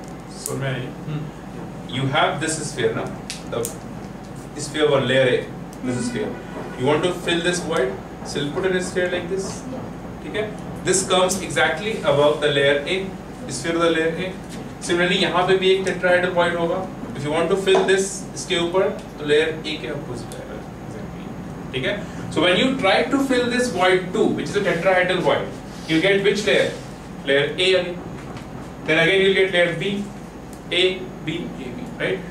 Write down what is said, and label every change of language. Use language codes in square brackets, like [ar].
[en] So many. You have this sphere now. The sphere of layer A. This sphere. You want to fill this void? So you put in a sphere like this. Okay? This comes exactly above the layer A. Sphere of the layer A. [hi] Similarly, यहाँ पे भी एक tetrahedral void होगा. [en] If you want to fill this [hi] इसके ऊपर, तो layer A के opposite है. ठीक है? [en] So when you try to fill this void too, which is a tetrahedral void, you get which layer? Layer A again. Then again you'll get layer B, A, B, A, B. Right?